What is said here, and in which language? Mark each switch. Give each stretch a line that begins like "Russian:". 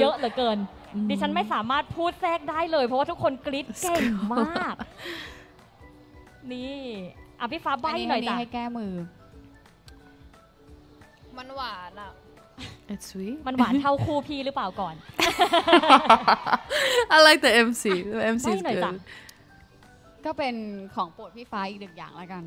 Thai: เยอะเหลือเกินดิฉันไม่สามารถพูดแทรกได้เลยเพราะว่าทุกคนกรี๊ดเก่งมากนี่อ่ะพี่ฟ้าใบ้หน่อยจ้ะ ให้แก้มือ มันหวานอ่ะ
English: It's sweet
Thai: มันหวานเท่าคู่พี่หรือเปล่าก่อน
English: I like the MC The MC is good
Thai: ก็เป็นของโปรดพี่ฟ้าอีกหนึ่งอย่างแล้วกัน